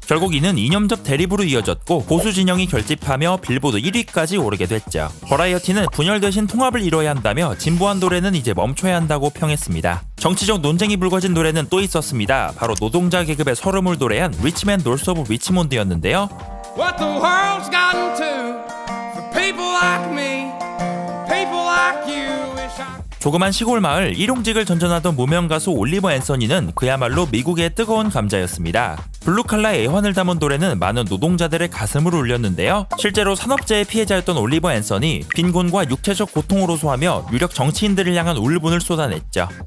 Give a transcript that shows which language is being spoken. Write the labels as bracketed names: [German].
[Korean] 결국 이는 이념적 대립으로 이어졌고 보수 진영이 결집하며 빌보드 1위까지 오르기도 했죠. 버라이어티는 분열 대신 통합을 이뤄야 한다며 진보한 노래는 이제 멈춰야 한다고 평했습니다. 정치적 논쟁이 불거진 노래는 또 있었습니다. 바로 노동자 계급의 서름을 노래한 Rich Man North of Richmond였는데요. [English] What the world's gotten to for people like me, people like you. [Korean] 조그만 시골 마을 일용직을 전전하던 무명 가수 올리버 앤서니는 그야말로 미국의 뜨거운 감자였습니다. 블루칼라의 애환을 담은 노래는 많은 노동자들의 가슴을 울렸는데요. 실제로 산업재해 피해자였던 올리버 앤서니, 빈곤과 육체적 고통을 호소하며 유력 정치인들을 향한 울분을 쏟아냈죠.